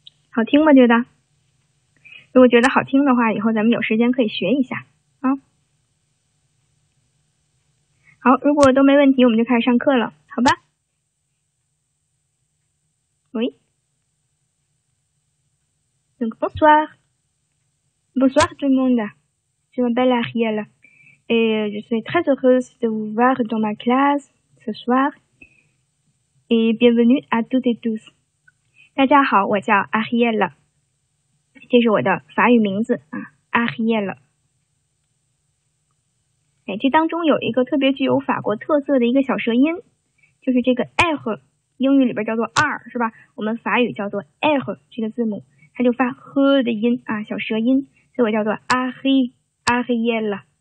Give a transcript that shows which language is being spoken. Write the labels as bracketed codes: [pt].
[zh] 好听吗？觉得如果觉得好听的话，以后咱们有时间可以学一下啊。好，如果都没问题，我们就开始上课了，好吧？ [fr] 喂 ，Donc bonsoir, bonsoir tout le monde. Je m'appelle Ariel et je suis très heureuse de vous voir dans ma classe ce soir. Et bienvenue à toutes et tous. [zh] 大家好，我叫阿希耶勒，这是我的法语名字啊，阿希耶勒。哎，这当中有一个特别具有法国特色的一个小舌音，就是这个 r， 英语里边叫做 r 是吧？我们法语叫做 r 这个字母，它就发 h 的音啊，小舌音，所以我叫做阿希耶勒。